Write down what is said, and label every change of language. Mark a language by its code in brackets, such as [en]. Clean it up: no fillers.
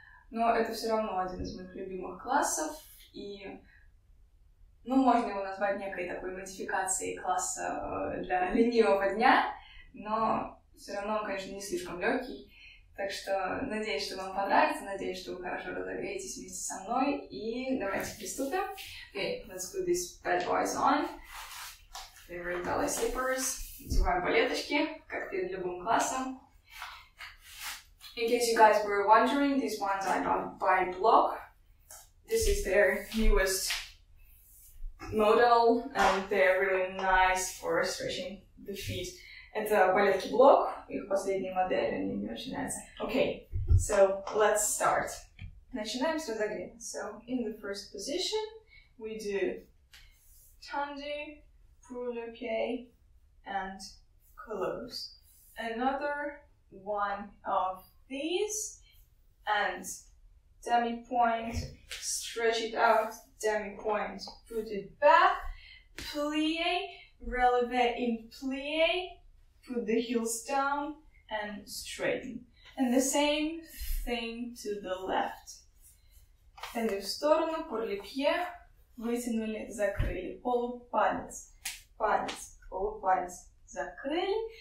[ru] Но это все равно один из моих любимых классов, и ну, можно его назвать некой такой модификацией класса для ленивого дня, но все равно он, конечно, не слишком легкий. Так что надеюсь, что вам понравится, надеюсь, что вы хорошо разогреетесь вместе со мной, и давайте приступим. [en] Okay, let's put these bad boys on. Favorite ballet slippers. [ru] Надеваем балеточки, как перед любым классом. [en] In case you guys were wondering, these ones I bought by BLOCH. This is their newest model, and they're really nice for stretching the feet. [ru] Это балетки BLOCH, их последняя модель, они мне очень нравятся. [en] Okay, so let's start. [ru] Начинаем с разогрева. [en] So, in the first position, we do tendu, pourle-pied, and close. Another one of these, and demi-point, stretch it out, demi-point, put it back, plié, relevé in plié, put the heels down and straighten. And the same thing to the left. [ru] Тянем в сторону, порлепье, вытянули, закрыли. Полупалец, палец, полупалец, закрыли.